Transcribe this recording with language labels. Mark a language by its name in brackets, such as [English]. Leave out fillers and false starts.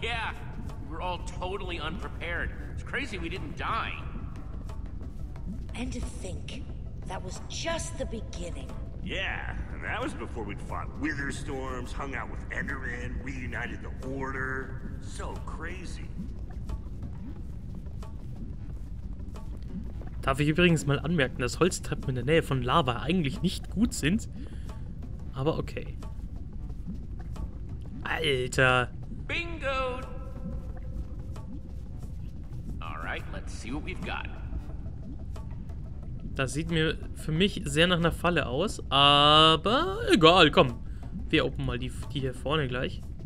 [English] Yeah, we're all totally unprepared. It's crazy we didn't die. And to think, that was just the beginning. Yeah, and that was before we'd fought wither storms, hung out with Enderin, reunited the Order. So crazy. [German] Darf ich übrigens mal anmerken, dass Holztreppen in der Nähe von Lava eigentlich nicht gut sind? Aber okay. Alter! Bingo! [English] Alright, let's see what we've got. [German] Das sieht mir für mich sehr nach einer Falle aus, aber egal, komm. Wir open mal die hier vorne gleich.